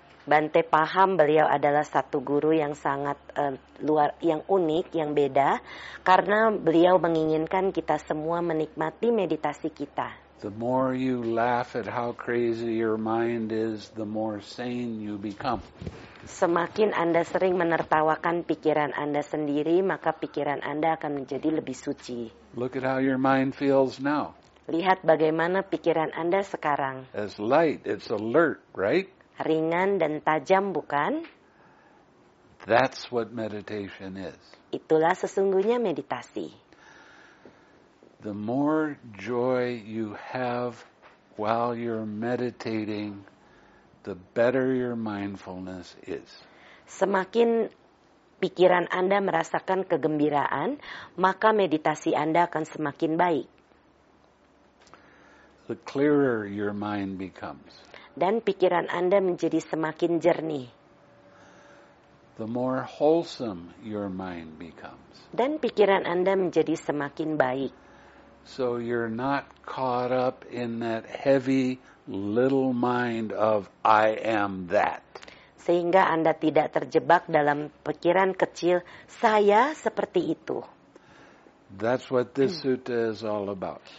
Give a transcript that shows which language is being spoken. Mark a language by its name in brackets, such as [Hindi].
[Indonesian] Bante paham beliau adalah satu guru yang sangat luar, yang unik, yang beda, karena beliau menginginkan kita semua menikmati meditasi kita. [English] The more you laugh at how crazy your mind is, the more sane you become. [Indonesian] Semakin Anda sering menertawakan pikiran Anda sendiri, maka pikiran Anda akan menjadi lebih suci. [English] Look at how your mind feels now. [Indonesian] Lihat bagaimana pikiran Anda sekarang. [English] It's light, it's alert, right? [Indonesian] Ringan dan tajam, bukan? [English] That's what meditation is. [Indonesian] Itulah sesungguhnya meditasi. [English] The more joy you have while you're meditating, the better your mindfulness is. [Indonesian] Semakin pikiran Anda merasakan kegembiraan, maka meditasi Anda akan semakin baik. [English] The clearer your mind becomes. [Indonesian] Dan pikiran Anda menjadi semakin jernih. [English] The more wholesome your mind becomes. [Indonesian] Dan pikiran Anda menjadi semakin baik. [English] So you're not caught up in that heavy little mind of I am that. [Indonesian] Sehingga Anda tidak terjebak dalam pikiran kecil saya seperti itu. [English] That's what this sutta is all about.